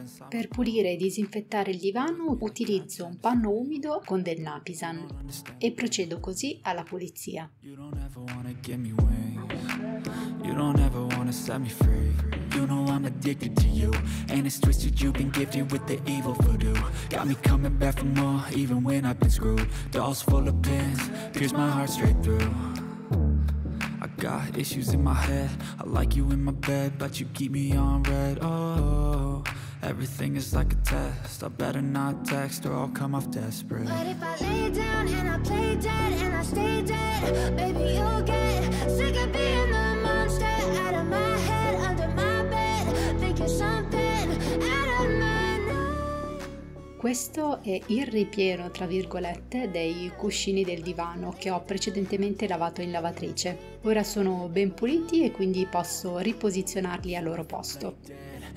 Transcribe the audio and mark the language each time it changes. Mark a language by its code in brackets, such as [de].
[it] Per pulire e disinfettare il divano utilizzo un panno umido con del Napisan e procedo così alla pulizia. [en] You don't ever wanna give me wings. You don't ever wanna set me free. You know I'm addicted to you. And it's twisted, you've been gifted with the evil voodoo. Got me coming back for more, even when I've been screwed. Dolls full of pins, pierce my heart straight through. Got issues in my head. I like you in my bed, but you keep me on red. Oh, everything is like a test. I better not text or I'll come off desperate. But if I lay down and I play dead and I stay dead, baby, you'll get sick of being the monster. Out of my head, under my bed, thinking something out of my mind. [it] Questo è il ripieno, tra virgolette, dei cuscini del divano che ho precedentemente lavato in lavatrice. Ora sono ben puliti e quindi posso riposizionarli al loro posto.